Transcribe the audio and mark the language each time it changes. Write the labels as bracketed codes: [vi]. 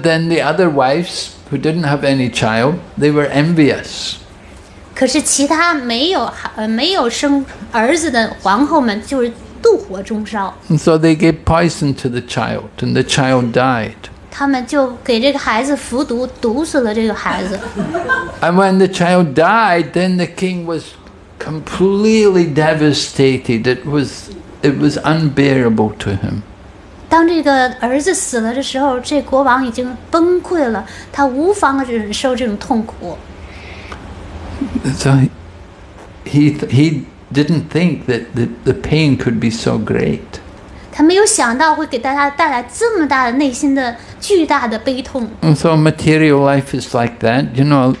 [en] then the other wives who didn't have any child, they were envious. [zh] 可是其他没有生儿子的皇后们就是妒火中烧。 [en] So they gave poison to the child, and the child died. [zh] 他们就给这个孩子服毒，毒死了这个孩子。 [en] And when the child died, then the king was completely devastated. It was unbearable to him. [zh] 当这个儿子死了的时候，这国王已经崩溃了，他无法忍受这种痛苦。 [en] So he didn't think that the pain could be so great. [zh] 他没有想到会给大家带来这么大的内心的巨大的悲痛。 [en] So material life is like that, you know.